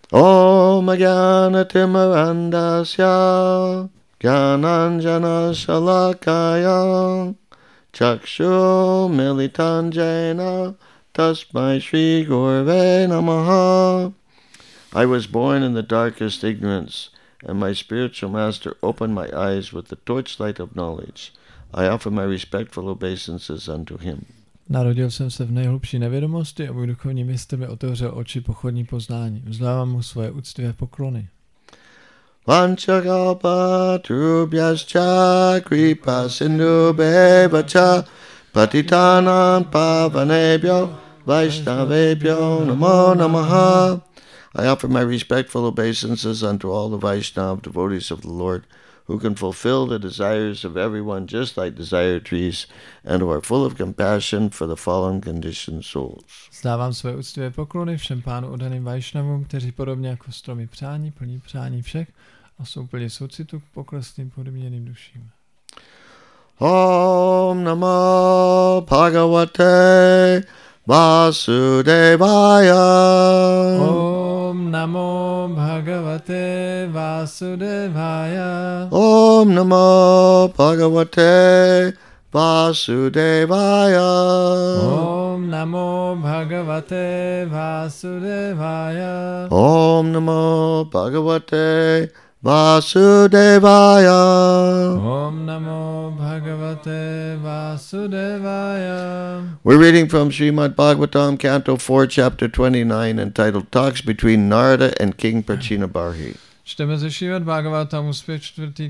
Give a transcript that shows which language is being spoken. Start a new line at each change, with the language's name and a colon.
Sanskrit: Om Gyanate Marandasya Gyananjana Shalakaya Chakshur Militam Jena Tasmai Shri Gurave Namaha.
English: I was born in the darkest ignorance, and my spiritual master opened my eyes with the torchlight of knowledge. I offer my respectful obeisances unto him.
Czech: Narodil jsem se v nejhlubší nevědomosti a můj duchovní mistr mi otevřel oči pochodní poznání. Vzdávám mu svoje úctivé poklony.
Sanskrit: Vancha kalpa trubhyascha kripa sindhubheva cha patitanam pavanebhyo vaishnavebhyo namo namaha.
English: I offer my respectful obeisances unto all the Vaishnava devotees of the Lord who can fulfill the desires of everyone just like desire trees and who are full of compassion for the fallen conditioned souls.
Czech: Vzdávám své úctivé poklony všem pánu odaným Vaishnavům, kteří podobně jako stromy přání, plní přání všech a jsou plně soucitu k poklesným podmíněným duším.
Sanskrit: Om Namo Bhagavate Vasudevaya. Om Namo Bhagavate Vasudevaya. Om Namo Bhagavate Vasudevaya. Om Namo Bhagavate Vasudevaya. Om Namo Bhagavate Vasudevaya. Om Namo Bhagavate Vasudevaya.
English: We're reading from Srimad Bhagavatam, Canto 4, Chapter 29, entitled Talks Between Narada and King Prachinabarhi.
Czech: Čteme ze Srimad Bhagavatam, úspěch 4.